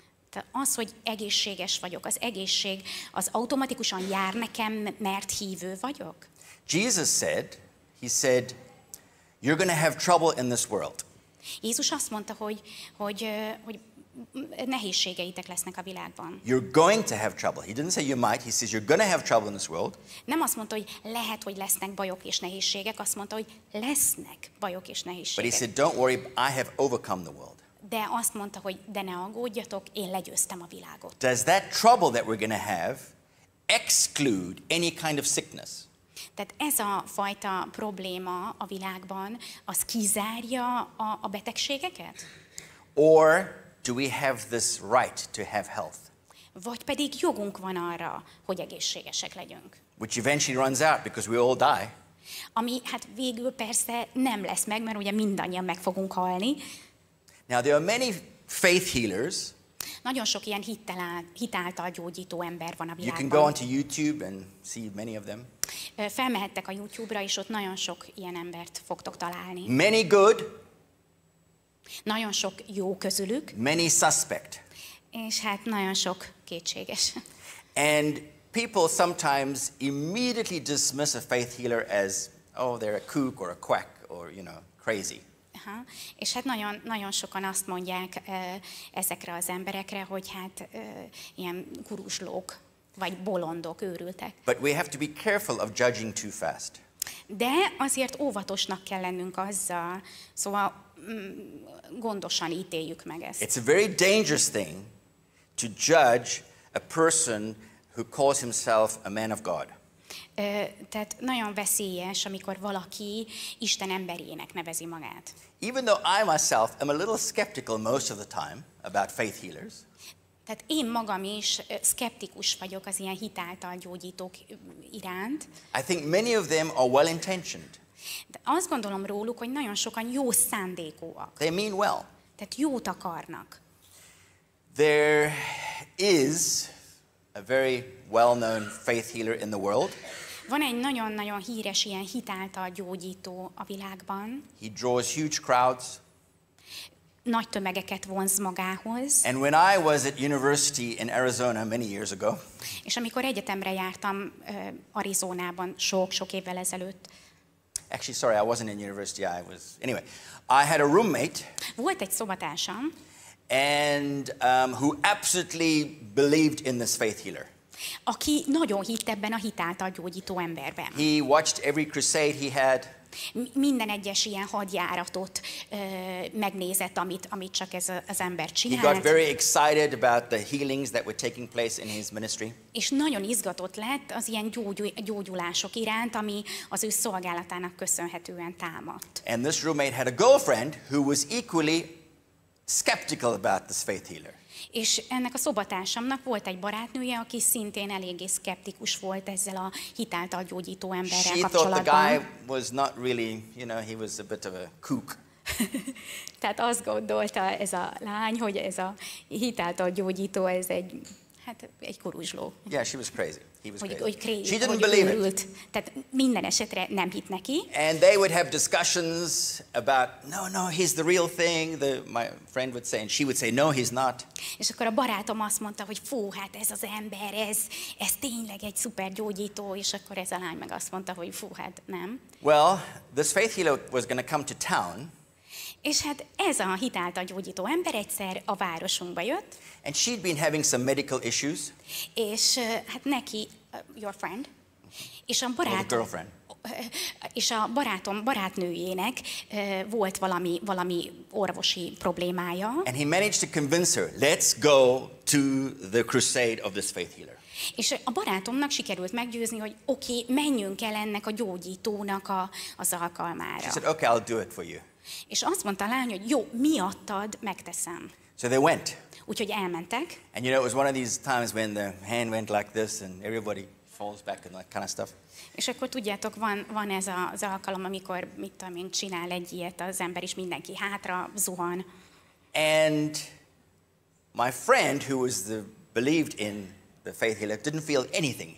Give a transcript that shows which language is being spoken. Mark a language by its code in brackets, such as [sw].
[hu] Tehát az, hogy egészséges vagyok, az egészség, az automatikusan jár nekem, mert hívő vagyok. [en] Jesus said, he said, you're going to have trouble in this world. [hu] Jézus azt mondta, hogy nehézségeitek lesznek a világban. [en] You're going to have trouble. He didn't say you might, he says you're going to have trouble in this world. [hu] Nem azt mondta, hogy lehet, hogy lesznek bajok és nehézségek, azt mondta, hogy lesznek bajok és nehézségek. [en] But he said, don't worry, I have overcome the world. [hu] De azt mondta, hogy de ne aggódjatok, én legyőztem a világot. [en] Does that trouble that we're going to have exclude any kind of sickness? [hu] Tehát ez a fajta probléma a világban, az kizárja a betegségeket? [en] Or do we have this right to have health? [hu] Vagy pedig jogunk van arra, hogy egészségesek legyünk. [en] Which eventually runs out because we all die. [hu] Ami hát végül persze nem lesz meg, mert ugye mindannyian meg fogunk halni. [en] Now there are many faith healers. [hu] Nagyon sok ilyen hitáltal gyógyító ember van a világban. [en] You can go onto YouTube and see many of them. [hu] Felmehettek a YouTube-ra és ott nagyon sok ilyen embert fogtok találni. [en] Many good. [hu] Nagyon sok jó közülük. [en] Many suspect. [hu] És hát nagyon sok kétséges. [en] And people sometimes immediately dismiss a faith healer as, oh, they're a kook or a quack or, you know, crazy. Aha. [hu] És hát nagyon, nagyon sokan azt mondják ezekre az emberekre, hogy hát ilyen kuruslók, vagy bolondok, őrültek. [en] But we have to be careful of judging too fast. [hu] De azért óvatosnak kell lennünk azzal, szóval gondosan ítéljük meg ezt. [en] It's a very dangerous thing to judge a person who calls himself a man of God. [hu] Tehát nagyon veszélyes, amikor valaki Isten emberének nevezi magát. [en] Even though I myself am a little skeptical most of the time about faith healers. [hu] Tehát én magam is skeptikus vagyok az ilyen hitáltal gyógyítók iránt. [en] I think many of them are well-intentioned. [hu] De azt gondolom róluk, hogy nagyon sokan jó szándékúak. [en] They mean well. [hu] Tehát jót akarnak. [en] There is a very well-known faith healer in the world. [hu] Van egy nagyon-nagyon híres ilyen hitáltal gyógyító a világban. [en] He draws huge crowds. [hu] Nagy tömegeket vonz magához. [en] And when I was at university in Arizona many years ago. [hu] És amikor egyetemre jártam Arizonában sok-sok évvel ezelőtt. [en] Actually, sorry, I wasn't in university. I was anyway. I had a roommate. [hu] Volt egy szobatársam. [en] And who absolutely believed in this faith healer. [hu] Aki nagyon hitt ebben a hitáltal gyógyító emberben. [en] He watched every crusade he had. [hu] Minden egyes ilyen hadjáratot megnézett, amit csak ez az ember csinált. [en] He got very excited about the healings that were taking place in his ministry. [hu] És nagyon izgatott lett az ilyen gyógyulások iránt, ami az ő szolgálatának köszönhetően támadt. [en] And this roommate had a girlfriend who was equally skeptical about this faith healer. [hu] És ennek a szobatársamnak volt egy barátnője, aki szintén eléggé szkeptikus volt ezzel a hitáltal gyógyító emberrel [en] She [hu] kapcsolatban. [en] She thought the guy was not really, you know, he was a bit of a kook. [hu] Tehát azt gondolta ez a lány, hogy ez a hitáltal gyógyító, ez egy, hát egy kuruzsló. [en] Yeah, she was crazy. He was crazy. She didn't believe it. [hu] Tehát minden esetre nem hitt neki. [en] And they would have discussions about, no, he's the real thing. My friend would say, and she would say, no, he's not. [hu] És akkor a barátom azt mondta, hogy fú, hát ez az ember, ez tényleg egy szuper gyógyító, és akkor ez a lány meg azt mondta, hogy fú, hát nem. [en] Well, this faith healer was going to come to town. [hu] És hát ez a hitáltal gyógyító ember egyszer a városunkba jött. [en] And she'd been having some medical issues. [hu] És hát neki, [en] your friend, [hu] és a barát, [en] or the girlfriend. [hu] És a barátom barátnőjének volt valami orvosi problémája. [en] And he managed to convince her, let's go to the crusade of this faith healer. [hu] És a barátomnak sikerült meggyőzni, hogy oké, menjünk el ennek a gyógyítónak az alkalmára. [en] She said, okay, I'll do it for you. [hu] És azt mondta a lány, hogy jó, miattad megteszem. [en] So they went. [hu] Úgyhogy elmentek. [en] And you know, it was one of these times when the hand went like this and everybody falls back and that kind of stuff. [hu] És akkor tudjátok, van ez az alkalom, amikor mit tudom én, csinál egy ilyet az ember, és mindenki hátra zuhan. [en] And my friend, who was the believed in the faith healer, didn't feel anything.